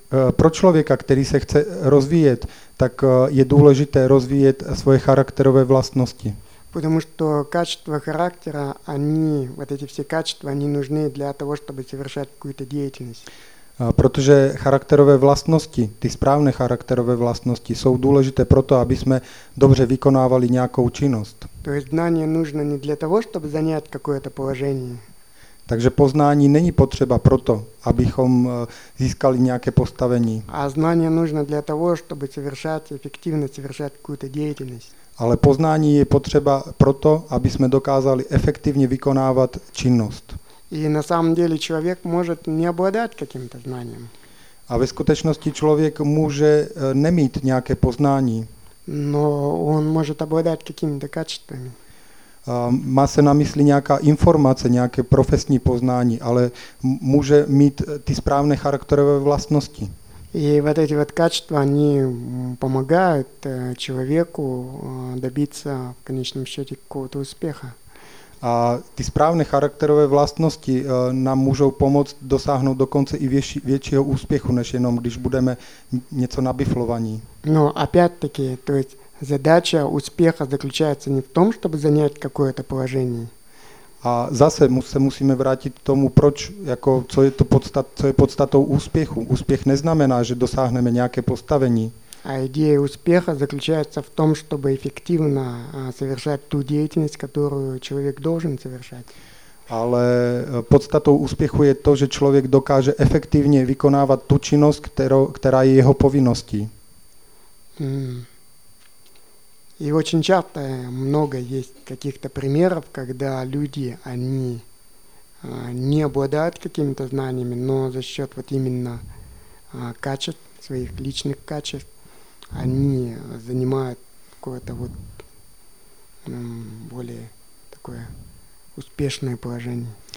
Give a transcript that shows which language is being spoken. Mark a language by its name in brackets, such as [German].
[Czech] Pro člověka, který se chce rozvíjet, tak je důležité rozvíjet svoje charakterové vlastnosti. [Russian] Потому что качества характера, они вот эти все качества, они нужны для того, чтобы совершать какую-то деятельность. [Czech] Protože charakterové vlastnosti, ty správné charakterové vlastnosti jsou důležité pro to, aby jsme dobře vykonávali nějakou činnost. [Russian] То есть знание нужно не для того, чтобы занять какое-то положение. [Czech] Takže poznání není potřeba proto, abychom získali nějaké postavení. [Russian] A znání je nutné для того, чтобы совершать эффективно совершать какую-то деятельность. [Czech] Ale poznání je potřeba proto, aby jsme dokázali efektivně vykonávat činnost. [Russian] И на самом деле человек может не обладать каким-то знанием. [Czech] A ve skutečnosti člověk může nemít nějaké poznání. [Russian] Но он может обладать какими-то качествами. [Czech] Má se na mysli nějaká informace, nějaké profesní poznání, ale může mít ty správné charakterové vlastnosti. [Russian] I вот эти вот качества, они помогают человеку добиться в конечном счете какого-то успеха. [Czech] A ty správné charakterové vlastnosti nám můžou pomoct dosáhnout dokonce i většího úspěchu, než jenom když budeme něco nabiflovaní. [Russian] No, опять-таки, то есть задача успеха заключается не в том, чтобы занять какое-то положение. [Czech] А zase se musíme vrátit k tomu, proč jako co je to podstatou úspěchu. Úspěch neznamená, že dosáhneme nějaké postavení. [Russian] А идея успеха заключается в том, чтобы эффективно совершать ту деятельность, которую человек должен совершать. [Czech] Ale podstatou úspěchu je to, že člověk dokáže efektivně vykonávat tu činnost, která je jeho povinností. [Russian] И очень часто много есть каких-то примеров, когда люди, они не обладают какими-то знаниями, но за счет вот именно качеств, своих личных качеств, они занимают какое-то вот более такое успешное положение.